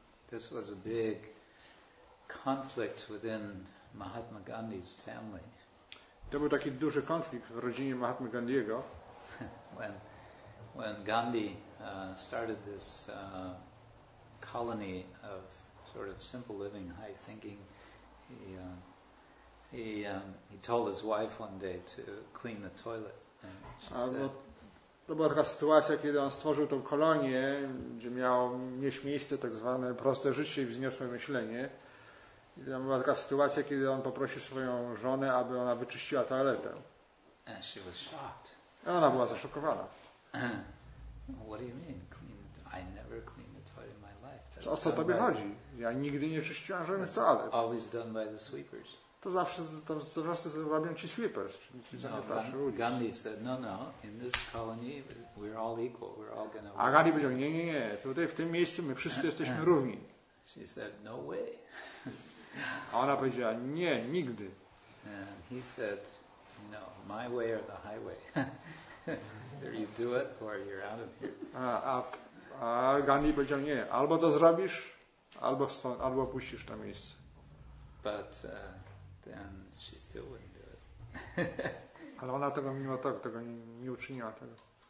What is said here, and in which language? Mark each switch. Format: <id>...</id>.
<en>This was a big conflict within Mahatma Gandhi's family.</en> <pl>To był taki duży konflikt w rodzinie Mahatmy Gandhiego.</pl> <en>When Gandhi started this colony of sort of simple living, high thinking. He told his wife one day to clean the toilet.</en> <pl>To była taka sytuacja, kiedy on stworzył tą kolonię, gdzie miał mieć miejsce, tak zwane proste życie i wzniosłe myślenie. I tam była taka sytuacja, kiedy on poprosił swoją żonę, aby ona wyczyściła toaletę.</pl> <en>And she was shocked.</en> <pl>I ona była zaszokowana.</pl> <en>What do you mean? Clean the I never clean.</en> <pl>O co tobie chodzi? Ja nigdy nie czyściłem żadnych toalet.</pl> <en>Always done by the sweepers.</en> <pl>To zawsze robią ci sweepers, czyli ci zamiataczy ulic.</pl> <en>Gandhi said, no, in this colony we're all equal, we're all gonna work.</en> <pl>A Gandhi powiedział, nie, tutaj w tym miejscu my wszyscy jesteśmy równi.</pl> <en>She said, no way.</en> <pl>A ona powiedziała, nie, nigdy.</pl> <en>And he said, no, my way or the highway. Either you do it or you're out of here.</en> <pl>A Gandhi powiedział, nie, albo to zrobisz, albo stąd, albo opuścisz to miejsce.</pl> <en>But then she still wouldn't do it.</en> <pl>Ale ona tego mimo tego nie uczyniła tego.</pl>